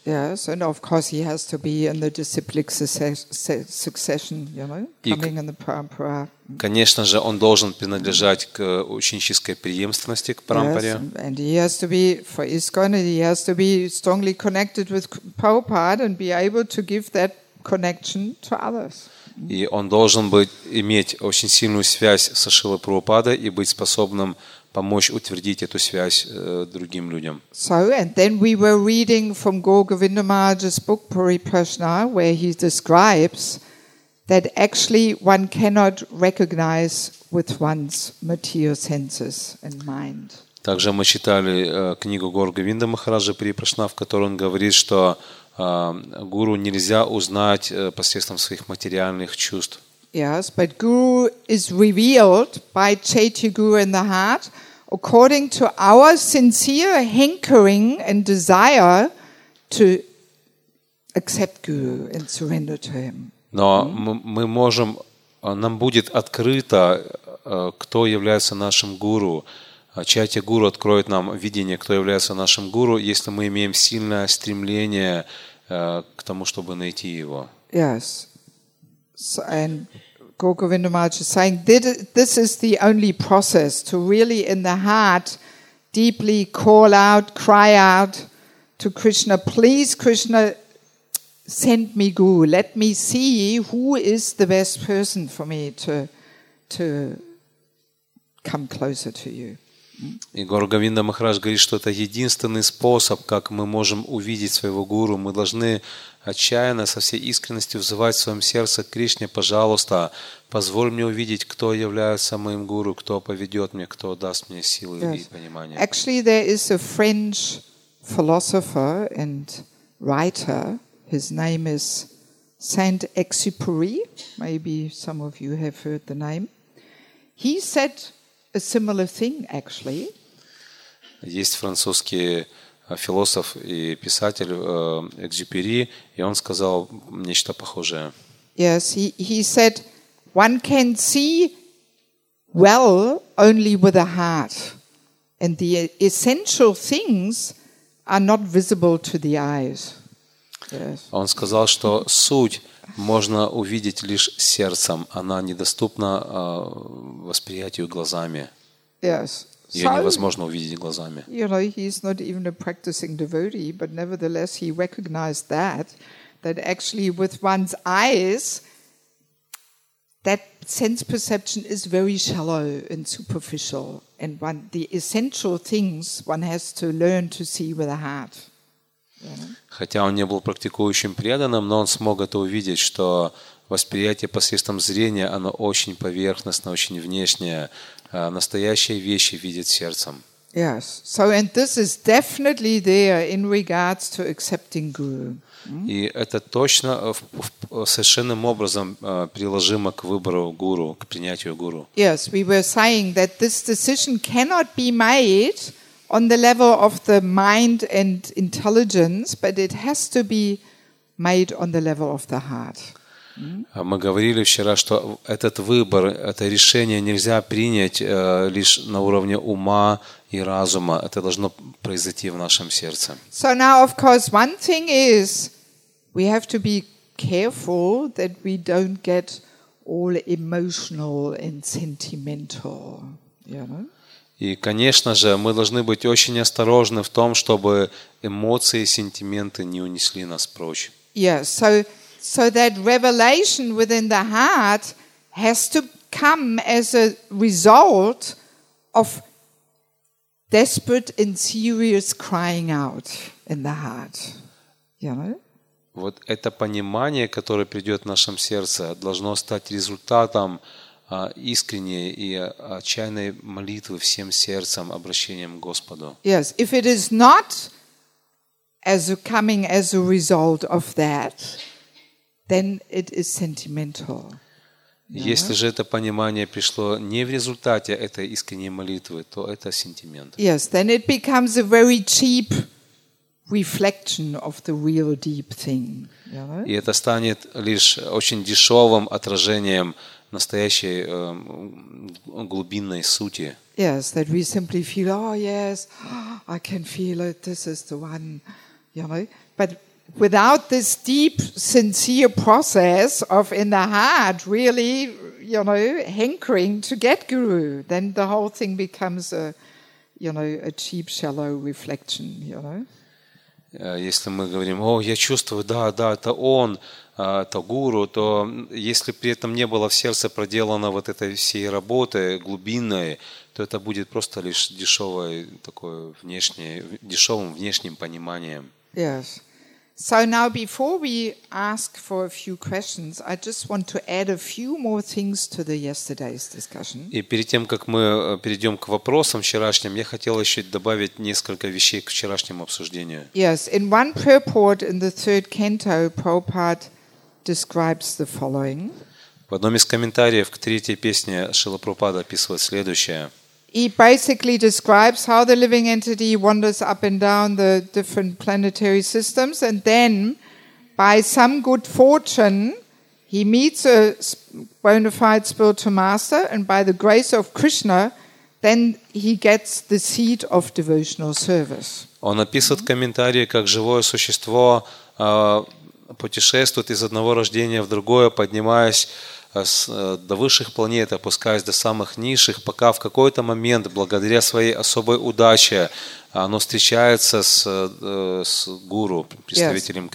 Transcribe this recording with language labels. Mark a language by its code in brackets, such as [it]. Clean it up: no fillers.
[en] Yes, and of course he has to be in the disciplic succession, you know, coming in the parampara. [ru] Конечно же, он должен принадлежать к ученической преемственности, к парампаре. [en] Yes, and he has to be, for ISKCON, he has to be strongly connected with Prabhupada and be able to give that connection to others. [ru] И он должен быть, иметь очень сильную связь со Шрилой Прабхупадой и быть способным помочь утвердить эту связь другим людям. [en] So, and then we were reading from Gaur Govinda Maharaj's book Pariprashna, where he describes that actually one cannot recognize with one's material senses and mind. [ru] Также мы читали книгу Гаур Говинда Махараджа Пари-прашна, в которой он говорит, что гуру нельзя узнать посредством своих материальных чувств. [en] Yes, but guru is revealed by Chaitya Guru in the heart according to our sincere hankering and desire to accept guru and surrender to him. [ru] Но мы можем, нам будет открыто, кто является нашим гуру. Чайтья Гуру откроет нам видение, кто является нашим гуру, если мы имеем сильное стремление к тому, чтобы найти его. [en] Yes. So, and Gaur Govinda Maharaj is saying that this is the only process to really in the heart deeply call out, cry out to Krishna, please Krishna, send me guru. Let me see who is the best person for me to come closer to you. [ru] И Гаур Говинда Махарадж говорит, что это единственный способ, как мы можем увидеть своего гуру. Мы должны отчаянно, со всей искренностью взывать в своем сердце к Кришне, пожалуйста, позволь мне увидеть, кто является моим гуру, кто поведет мне, кто даст мне силы и понимание. [en] Actually, there is a French philosopher and writer. His name is Saint-Exupéry. Maybe some of you have heard the name. He said a similar thing, actually. [ru] Есть французский философ и писатель Экзюпери, и он сказал нечто похожее. [en] Yes, he said, one can see well only with a heart, and the essential things are not visible to the eyes. Yes. [ru] Он сказал, что суть можно увидеть лишь сердцем, она недоступна восприятию глазами. [en] Yes. [ru] Ее невозможно увидеть глазами. [en] You know, he's not even a practicing devotee, but nevertheless he recognized that actually with one's eyes that sense perception is very shallow and superficial, and one the essential things one has to learn to see with the heart. [ru] Хотя он не был практикующим преданным, но он смог это увидеть, что восприятие посредством зрения, оно очень поверхностно, очень внешнее. Настоящие вещи видит сердцем. [en] Yes. So, and this is definitely there in regards to accepting guru. [ru] И это точно совершенным образом приложимо к выбору гуру, к принятию гуру. [en] Yes, we were saying that this decision cannot be made on the level of the mind and intelligence, but it has to be made on the level of the heart. [ru] Мы говорили вчера, что этот выбор, это решение нельзя принять лишь на уровне ума и разума. Это должно произойти в нашем сердце. [en] So now, of course, one thing is we have to be careful that we don't get all emotional and sentimental, you know? [ru] И, конечно же, мы должны быть очень осторожны в том, чтобы эмоции и сентименты не унесли нас прочь. [en] Yeah, so that revelation within the heart has to come as a result of desperate and serious crying out in the heart. You know? [ru] Вот это понимание, которое придет в нашем сердце, должно стать результатом искренней и отчаянной молитвы всем сердцем, обращением к Господу. [en] Yes, if it is not as a coming as a result of that, then it is sentimental. [ru] Если же это понимание пришло не в результате этой искренней молитвы, то это сентимент. [en] Yes, then it becomes a very cheap reflection of the real deep thing. [ru] И это станет лишь очень дешевым отражением настоящей глубинной сути. [en] Yes, that we simply feel, oh yes, I can feel it, this is the one, you know. But without this deep, sincere process of in the heart, really, you know, hankering to get guru, then the whole thing becomes a, you know, a cheap, shallow reflection, you know. [ru] Если мы говорим, о, я чувствую, да, да, это он, это гуру, то если при этом не было в сердце проделано вот этой всей работы глубинной, то это будет просто лишь дешевое такое внешнее, дешевым внешним пониманием. [en] Yes. So now before we ask for a few questions, I just want to add a few more things to the yesterday's discussion. [ru] И перед тем, как мы перейдем к вопросам вчерашним, я хотел еще добавить несколько вещей к вчерашнему обсуждению. [en] Yes, in one purport in the third canto, Prabhupada describes the following. [ru] В одном из комментариев к третьей песне Шрила Прабхупада описывает следующее. [en] He basically describes how the living entity wanders up and down the different planetary systems, and then, by some good fortune, he meets a bona fide spiritual master, and by the grace of Krishna, then he gets the seat of devotional service. [ru] Он описывает комментарии, как живое существо путешествует из одного рождения в другое, поднимаясь до высших планет, опускаясь до самых низших, пока в какой-то момент, благодаря своей особой удаче, оно встречается с гуру, представителем